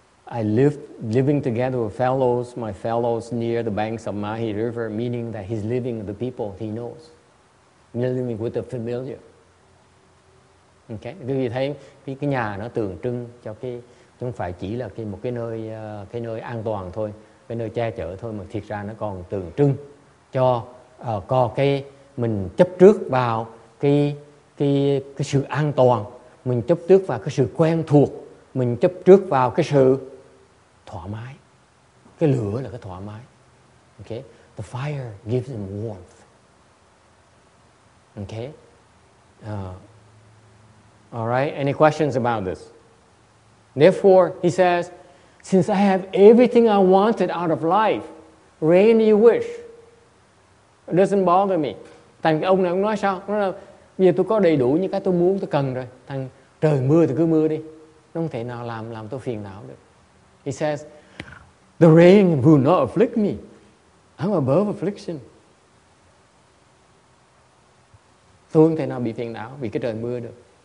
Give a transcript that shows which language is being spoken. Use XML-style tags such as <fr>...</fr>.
<en>I living together with fellows, my fellows near the banks of Mahi River, meaning that he's living with the people he knows. He's living with the familiar.</en> <vi>Okay? Vì thấy cái nhà nó tượng trưng cho cái không phải chỉ là cái một cái nơi an toàn thôi, cái nơi che chở thôi mà thiệt ra nó còn tượng trưng cho có cái mình chấp trước vào cái sự an toàn, mình chấp trước vào cái sự quen thuộc, mình chấp trước vào cái sự thoải mái. Cái lửa là cái thoải mái.</vi> <en>Okay? The fire gives him warmth. Okay? All right, any questions about this? Therefore, he says, since I have everything I wanted out of life, rain you wish, it doesn't bother me.</en> <vi>Thằng ông này ông nói sao? Nó là, bây giờ tôi có đầy đủ những cái tôi muốn, tôi cần rồi. Thằng trời mưa thì cứ mưa đi. Nó không thể nào làm tôi phiền não được.</vi> <en>He says, the rain will not afflict me. I'm above affliction.</en> <vi>Tôi không thể nào bị phiền não vì cái trời mưa được.</vi>